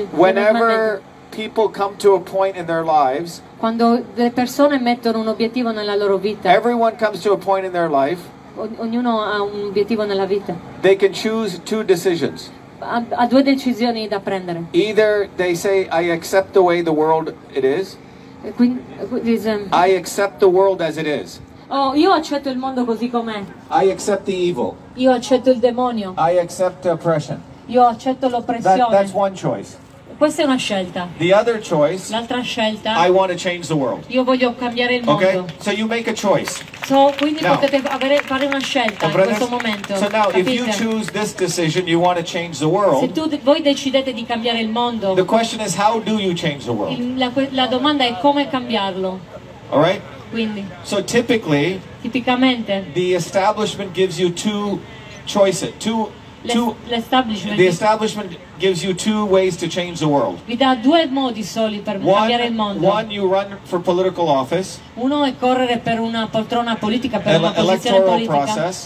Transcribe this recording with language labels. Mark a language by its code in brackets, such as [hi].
[en] Whenever people come to a point in their lives. [it] Quando le persone mettono un obiettivo nella loro vita. [en] Everyone comes to a point in their life. [it] Ognuno ha un obiettivo nella vita. [en] They can choose two decisions. [it] Ha due decisioni da prendere. [en] Either they say I accept the way the world it is. I accept the world as it is. [it] Oh, io accetto il mondo così com'è. [en] I accept the evil. [it] Io accetto il demonio. [en] I accept oppression. [it] Io accetto l'oppressione. [en] That's one choice. [it] Questa è una scelta. [en] The other choice. [it] L'altra scelta. [en] I want to change the world. [it] Io voglio cambiare il mondo. [en] Okay. So you make a choice. [it] So quindi now, potete fare una scelta in questo momento. [en] So now, [it] capite? [en] If you choose this decision, you want to change the world. [it] Se voi decidete di cambiare il mondo. [en] The question is how do you change the world? [it] La domanda è come cambiarlo. [en] All right. [it] Quindi. [en] So typically. [it] Tipicamente. [en] The establishment gives you two choices. The establishment gives you two ways to change the world. [it] Vi dà due modi soli per cambiare il mondo. [en] One, you run for political office. [it] Uno è correre per una poltrona politica, per una posizione politica.